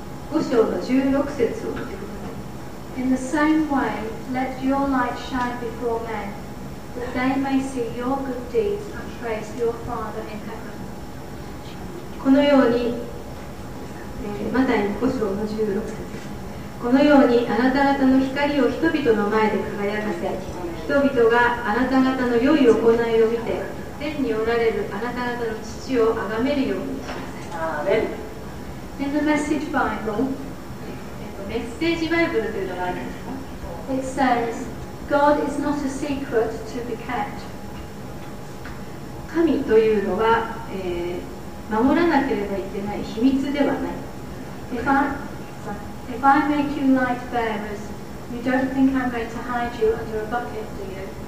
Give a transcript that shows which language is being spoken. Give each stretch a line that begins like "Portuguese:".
English: In the same way, let your light shine before men, that they may see your good deeds and praise your Father in heaven.
Japanese: このように、マタイ五章の十六節。このようにあなた方の光を人々の前で輝かせ、人々があなた方の良い行いを見て、天におられるあなた方の父を崇めるようにしなさい。
English: In the Message Bible.
Japanese: メッセージバイブルというのがあるんですか?
English: It says, God is not a secret to be kept.
Japanese: 神というのは、守らなければいけない秘密ではない。
English: If I make you light bearers, you don't think I'm going to hide you under a bucket, do you?